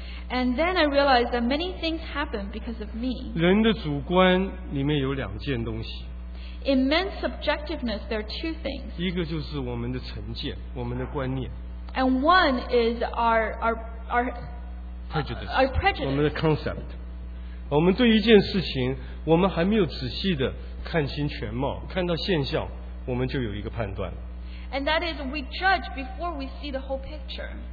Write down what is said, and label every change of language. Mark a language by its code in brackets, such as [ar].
[en] And then I realized that many things happen because of me. [zh] 人的主观里面有两件东西。 [en] In men's subjectiveness, there are two things. [zh] 一个就是我们的成见，我们的观念。 [en] And one is our prejudice. [zh] 我们的 concept，我们对一件事情，我们还没有仔细的看清全貌，看到现象，我们就有一个判断。 [en] And that is we judge before we see the whole picture.